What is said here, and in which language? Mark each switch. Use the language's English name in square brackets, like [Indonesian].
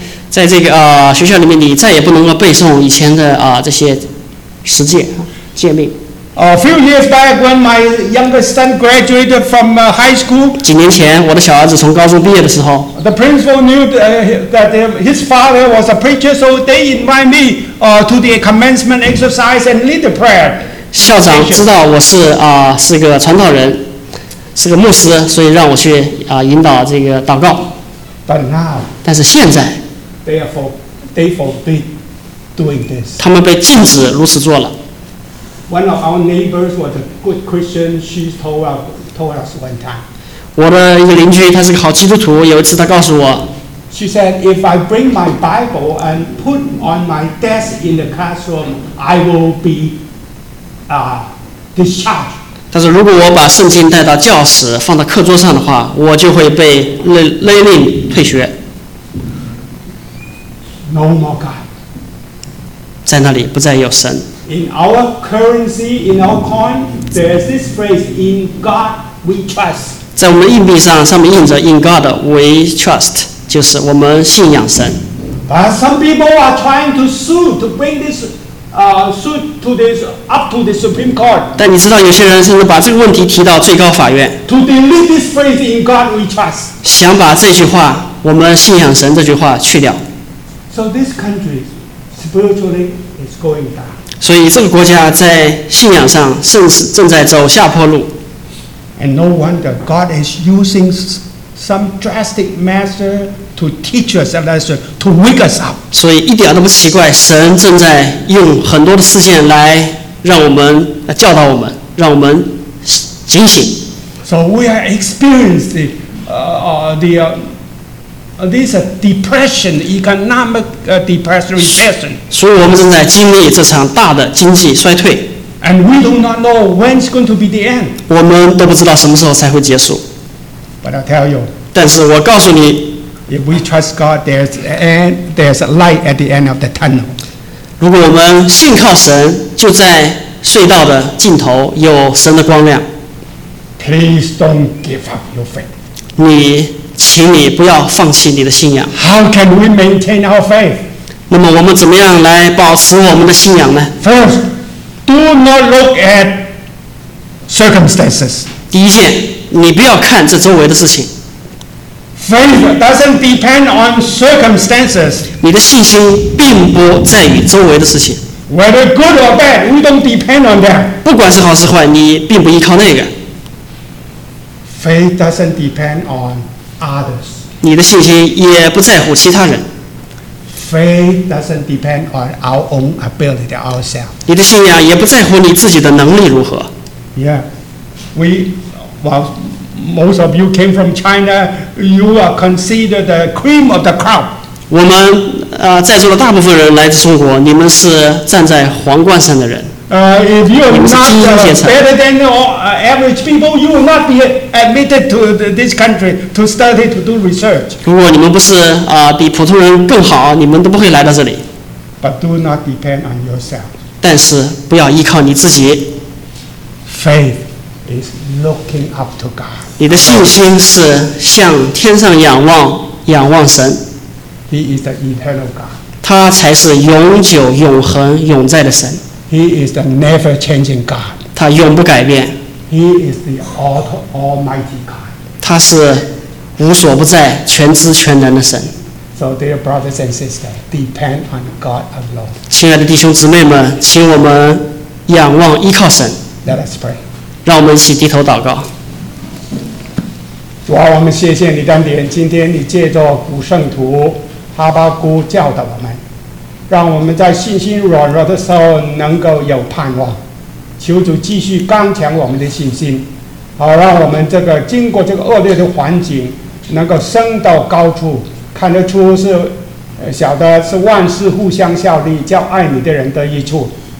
[Chinese] 在这个学校里面，你再也不能够背诵以前的这些十诫、诫命。 [English] A few years back, when my youngest son graduated from high school, [Chinese] 几年前我的小儿子从高中毕业的时候 [English] the principal knew that his father was a preacher, so they invited me to the commencement exercise and lead the prayer. [Chinese] 校长知道我是是个传道人，是个牧师，所以让我去引导这个祷告。 [English] But now, [Chinese] 但是现在 [English] they forbid doing this. [Chinese] 他们被禁止如此做了。 [English] One of our neighbors was a good Christian. She told us one time. [Chinese] 我的一个邻居，他是个好基督徒。有一次，他告诉我 [English] ，She said, "If I bring my Bible and put on my desk in the classroom, I will be discharged." [Chinese] 他说，如果我把圣经带到教室，放到课桌上的话，我就会被勒令退学。 [English] No more God. [Chinese] 在那里不再有神。 [English] In our currency, in our coin, there's this phrase, "In God we trust." [Chinese] 在我们硬币上面印着 [English] "In God we trust," [Chinese] 就是我们信仰神。 [English] But some people are trying to sue to bring this suit to this up to the Supreme Court. [Chinese] 但你知道，有些人甚至把这个问题提到最高法院。 [English] To delete this phrase, "In God we trust." [Chinese] 想把这句话，我们信仰神这句话去掉。 [English] So this country spiritually is going down. [Chinese] 所以这个国家在信仰上正在走下坡路。 [English] And no wonder God is using some drastic measure to teach us a lesson, to wake us up. [Chinese] 所以一点都不奇怪，神正在用很多的事件来让我们教导我们，让我们警醒。 [English] So we are experiencing this depression, economic depression, recession. [Chinese] 所以我们正在经历这场大的经济衰退。 [English] And we do not know when's going to be the end. [Chinese] 我们都不知道什么时候才会结束。 [English] But I tell you. [Chinese] 但是我告诉你 [English] ，If we trust God, there's a light at the end of the tunnel. [Chinese] 如果我们信靠神，就在隧道的尽头有神的光亮。 [English] Please don't give up your faith. [Chinese] 你。请你不要放弃你的信仰。 [English] How can we maintain our faith? [Chinese] 那么我们怎么样来保持我们的信仰呢 [English] ？First, do not look at circumstances. [Chinese] 第一件，你不要看这周围的事情。 [English] Faith doesn't depend on circumstances. [Chinese] 你的信心并不在于周围的事情。 [English] Whether good or bad, we don't depend on that. [Chinese] 不管是好是坏，你并不依靠那个。 [English] Faith doesn't depend on others. [Chinese] 你的信心也不在乎其他人。 [English] Faith doesn't depend on our own ability ourselves. [Chinese] 你的信仰也不在乎你自己的能力如何。 [English] Yeah, we, well, most of you came from China. You are considered the cream of the crop. [Chinese] 我们在座的大部分人来自中国，你们是站在皇冠上的人。 [English] If you are not better than average people, you will not be admitted to this country to study to do research. [Chinese] 如果你们不是比普通人更好，你们都不会来到这里。 [English] But do not depend on yourself. [Chinese] 但是不要依靠你自己。 [English] Faith is looking up to God. [Chinese] 你的信心是向天上仰望神。 [English] He is the eternal God. [Chinese] 他才是永久、永恒、永在的神。 [English] He is the never-changing God. [Chinese] 他永不改变。 [English] He is the Almighty God. [Chinese] 他是无所不在、全知全能的神。 [English] So, dear brothers and sisters, depend on God alone. [Chinese] 亲爱的弟兄姊妹们，请我们仰望、依靠神。 [English] Let us pray. [Chinese] 让我们一起低头祷告。主啊，我们谢谢你的恩典，今天你借着古圣徒哈巴谷教导我们。让我们在信心软弱的时候能够有盼望，求主继续刚强我们的信心，好让我们这个经过这个恶劣的环境，能够升到高处，看得出是晓得是万事互相效力，叫爱你的人得益处。